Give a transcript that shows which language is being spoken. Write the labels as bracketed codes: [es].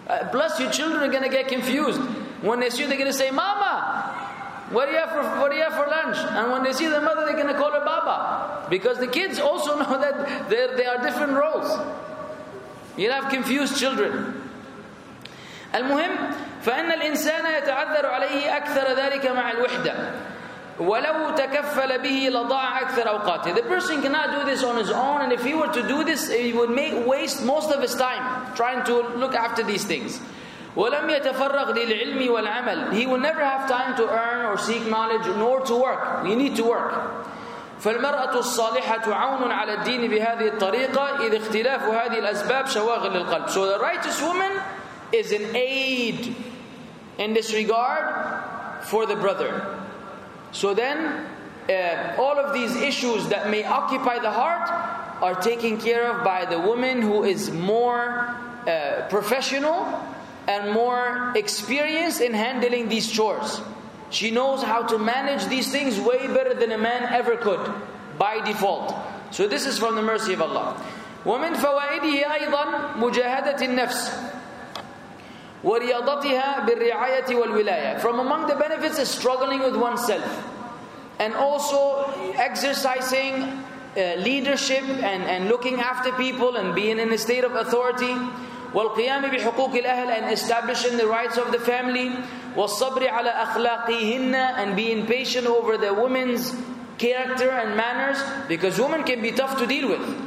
[en] Plus, your children are going to get confused. When they see you, they're going to say, Mama, what do you have for lunch? And when they see their mother, they're going to call her Baba. Because the kids also know that they are different roles. You'll have confused children. [ar] المهم فإن الإنسان يتعذر عليه أكثر ذلك مع الوحدة ولو تكفل به لضاع أكثر أوقاته. [en] The person cannot do this on his own, and if he were to do this, he would waste most of his time trying to look after these things. [ar] ولم يتفرغ للعلم والعمل. [en] He will never have time to earn or seek knowledge nor to work. He need to work. [ar] فالمرأة الصالحة عون على الدين بهذه الطريقة إذ اختلاف هذه الأسباب شواغل للقلب. [en] So the righteous woman is an aid in this regard for the brother. So then, all of these issues that may occupy the heart are taken care of by the woman who is more professional and more experienced in handling these chores. She knows how to manage these things way better than a man ever could by default. So this is from the mercy of Allah. [ar] وَمِنْ فَوَائِدِهِ أَيْضًا مُجَاهَدَةِ النَّفْسِ ورياضتها بالرعاية والولاية. [en] From among the benefits is struggling with oneself, and also exercising leadership and looking after people and being in a state of authority. [ar] والقيام بحقوق الأهل [en] and establishing the rights of the family. [ar] والصبر على أخلاقهن [en] and being patient over the woman's character and manners, because women can be tough to deal with.